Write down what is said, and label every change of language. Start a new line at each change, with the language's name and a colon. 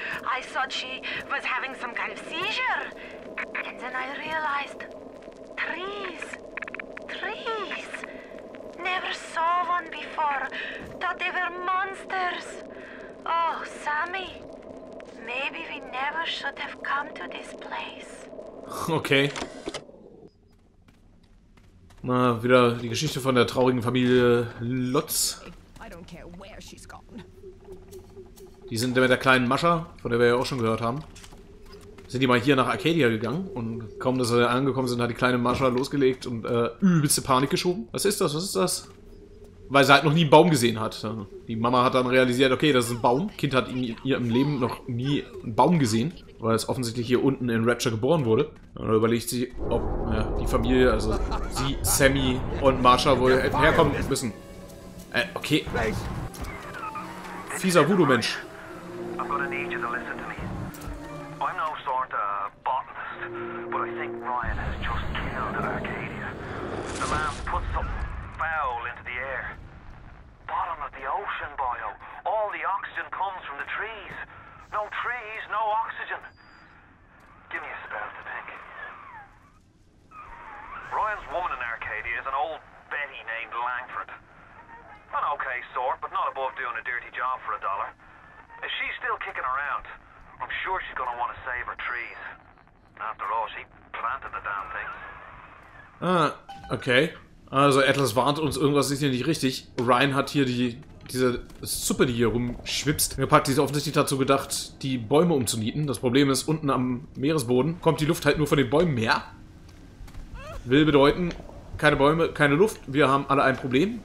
English: I thought she was having some kind of seizure. And then I realized, trees, trees. Never saw one before. Thought they were monsters. Oh, Sammy, maybe we never should have come to this place. Okay.
German: Mal wieder die Geschichte von der traurigen Familie Lutz.
English: I don't care where she's gone.
German: Die sind mit der kleinen Mascha, von der wir ja auch schon gehört haben. Sind die mal hier nach Arcadia gegangen und kaum, dass sie angekommen sind, hat die kleine Mascha losgelegt und übelste Panik geschoben. Was ist das? Was ist das? Weil sie halt noch nie einen Baum gesehen hat. Die Mama hat dann realisiert, okay, das ist ein Baum. Kind hat in ihrem Leben noch nie einen Baum gesehen, weil es offensichtlich hier unten in Rapture geboren wurde. Und dann überlegt sie, ob ja, die Familie, also sie, Sammy und Mascha wohl herkommen müssen. Okay. Fieser Voodoo-Mensch.
English: I've got a need you to listen to me. I'm no sort of botanist, but I think Ryan has just killed Arcadia. The man's put something foul into the air. Bottom of the ocean, boyo. All the oxygen comes from the trees. No trees, no oxygen. Give me a spell to pick. Ryan's woman in Arcadia is an old Betty named Langford. An okay sort, but not above doing a dirty job for a dollar. If she's still kicking around, I'm sure she's gonna want to save her trees. After all, she planted the damn things. Ah, okay.
German: Also, Atlas warnt uns, irgendwas ist hier nicht richtig. Ryan hat hier diese Suppe, die hier rumschwipst, gepackt. Die ist offensichtlich dazu gedacht, die Bäume umzunieten. Das Problem ist, unten am Meeresboden kommt die Luft halt nur von den Bäumen her. Will bedeuten, keine Bäume, keine Luft. Wir haben alle ein Problem.